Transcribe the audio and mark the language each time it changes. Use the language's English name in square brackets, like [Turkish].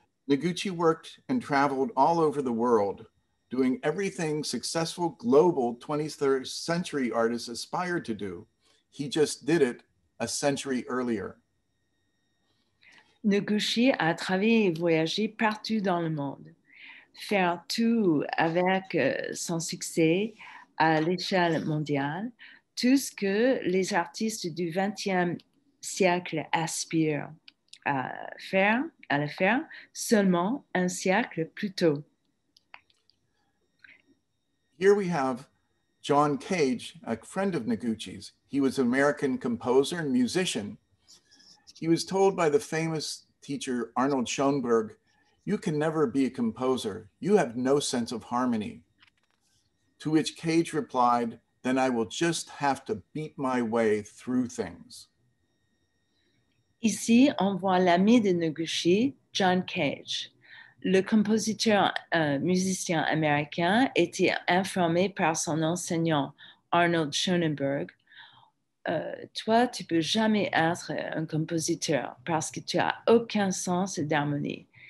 [English] Noguchi worked and traveled all over the world, doing everything successful global 23rd century artists aspired to do. He just did it a century earlier. [French] Noguchi a travaillé et voyagé partout dans le monde, faire tout avec son succès à l'échelle mondiale, tout ce que les artistes du 20e siècle aspirent à faire, seulement un siècle plus tôt. [English] Here we have John Cage, a friend of Noguchi's. He was an American composer and musician. He was told by the famous teacher Arnold Schoenberg, "You can never be a composer. You have no sense of harmony." To which Cage replied, "Then I will just have to beat my way through things." [French] Ici, on voit l'ami de Noguchi, John Cage. Le compositeur musicien américain était informé par son enseignant Arnold Schoenberg. Toi, tu peux jamais être un compositeur parce que tu as aucun sens d'harmonie.